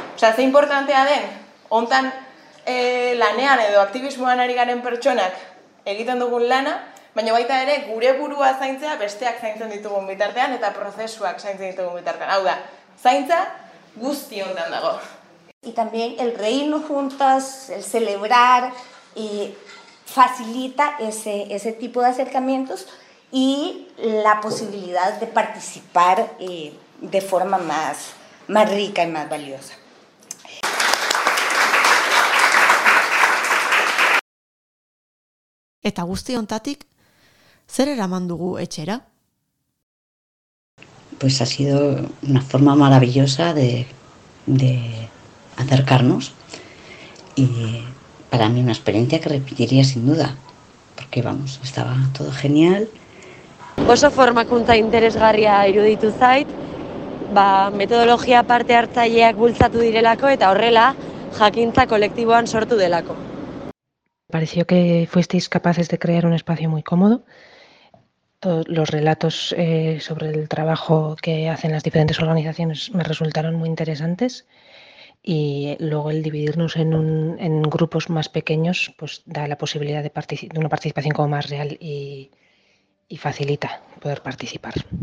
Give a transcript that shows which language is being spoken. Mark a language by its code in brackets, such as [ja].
[eu] Osa, ze importantea den, ontan, lanean edo aktivismoan ari garen pertsonak egiten dugun lana, baina baita ere gure burua zaintzea besteak zaintzen ditugun bitartean eta prozesuak zaintzen ditugun bitartean. Hau da, zaintza guzti honetan dago. [es] Y también el reírnos juntas, el celebrar, facilita ese tipo de acercamientos y la posibilidad de participar de forma más rica y más valiosa. [eu] Eta guzti hontatik, zer eraman dugu etxera? [es] Pues ha sido una forma maravillosa de acercarnos y para mí una experiencia que repetiría sin duda, porque vamos, estaba todo genial. [eu] Oso formakuntza interesgarria iruditu zait, ba, metodologia parte hartzaileak bultzatu direlako eta horrela jakintza kolektiboan sortu delako. [es] Pareció que fuisteis capaces de crear un espacio muy cómodo. Todos los relatos sobre el trabajo que hacen las diferentes organizaciones me resultaron muy interesantes. Y luego el dividirnos en grupos más pequeños pues da la posibilidad de una participación como más real y facilita poder participar.